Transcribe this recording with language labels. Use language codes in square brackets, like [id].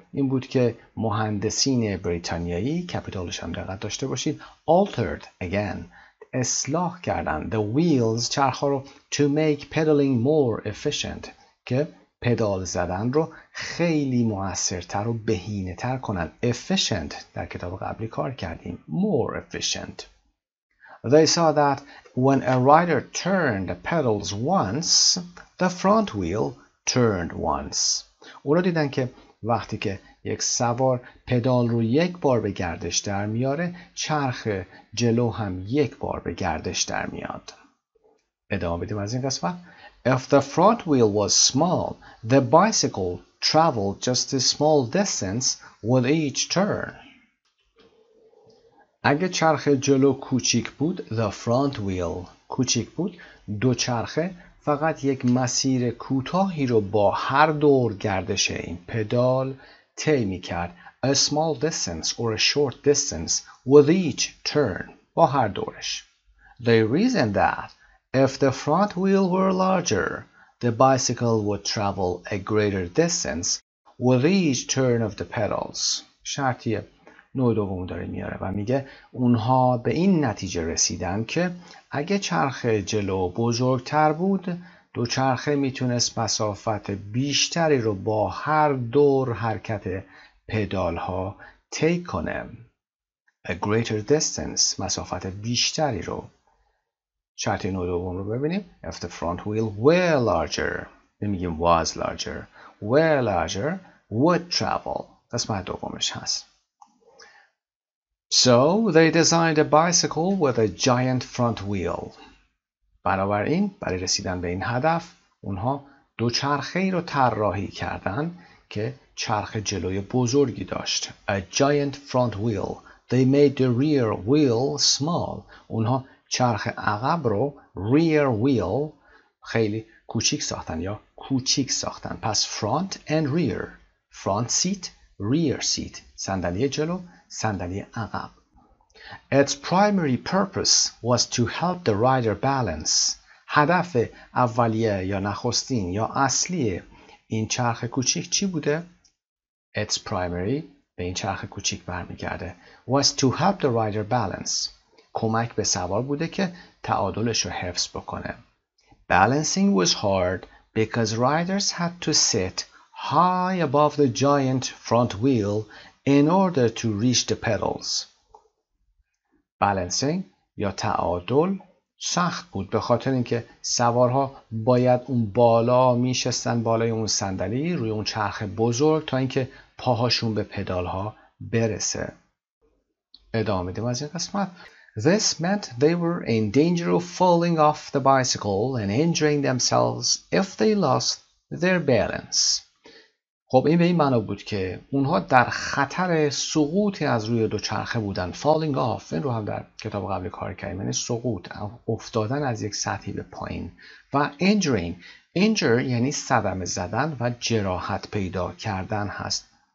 [fa] این بود که مهندسین بریتانیایی، کپیتالش هم دقت داشته باشید، [en] altered again. [fa] اصلاح کردن. [en] The wheels. [fa] چرخها رو [en] to make pedaling more efficient. [fa] که پدال زدن رو خیلی مؤثرتر و بهینه تر کنن. Efficient. در کتاب قبلی کار کردیم. [en] More efficient. They saw that when a rider turned pedals once, the front wheel turned once. [fa] اونا دیدن که وقتی که یک سوار پدال رو یک بار به گردش در میاره، چرخ جلو هم یک بار به گردش در میاد. ادامه بدیم از این قسمت. [en] If the front wheel was small, the bicycle traveled just a small distance with each turn. [fa] اگه چرخ جلو کوچیک بود، [en] the front wheel [fa] کوچیک بود، دو چرخه فقط یک مسیر کوتاهی رو با هر دور گردش این پدال طی می‌کرد، [en] a small distance or a short distance with each turn، [fa] با هر دورش. [en] They reasoned that if the front wheel were larger, the bicycle would travel a greater distance with each turn of the pedals. [fa] شرطیه نوع دوم داره میاره و میگه اونها به این نتیجه رسیدن که اگه چرخ جلو بزرگتر بود، دو چرخه میتونست مسافت بیشتری رو با هر دور حرکت پدال ها طی کنه، [en] a greater distance، [fa] مسافت بیشتری رو. شرط نوع دوم رو ببینیم. [en] If the front wheel were larger، [fa] نمیگیم [en] was larger، were larger، would travel، [fa] قسمت دومش هست. [en] So they designed a bicycle with a giant front wheel. [fa] بنابراین برای رسیدن به این هدف، اونها دو چرخه‌ای رو طراحی کردند که چرخ جلوی بزرگی داشت. [en] A giant front wheel. They made the rear wheel small. [fa] اونها چرخ عقب رو [en] rear wheel [fa] خیلی کوچیک ساختن یا کوچیک ساختن. [en] پس front and rear. Front seat, rear seat. [fa] صندلی جلو، صندلی عقب. [en] Its primary purpose was to help the rider balance. [fa] هدف اولیه یا نخستین یا اصلی این چرخ کوچیک چی بوده؟ [en] Its primary [fa] به این چرخ کوچیک برمیگرده. [en] Was to help the rider balance. [fa] کمک به سوار بوده که تعادلش رو حفظ بکنه. [en] Balancing was hard because riders had to sit high above the giant front wheel in order to reach the pedals. [fa] Balancing یا تعادل سخت بود به خاطر اینکه سوارها باید اون بالا میشستن، بالای اون صندلی روی اون چرخ بزرگ، تا اینکه پاهاشون به پدالها برسه. ادامه بدیم از این قسمت. [en] This meant they were in danger of falling off the bicycle and injuring themselves if they lost their balance. [fa] خب این به این معنی بود که اونها در خطر سقوط از روی دوچرخه بودن. [en] Falling off، [fa] این رو هم در کتاب قبلی کار کردیم، یعنی سقوط، افتادن از یک سطحی به پایین. و injuring، injure یعنی صدمه زدن و جراحت پیدا کردن هست.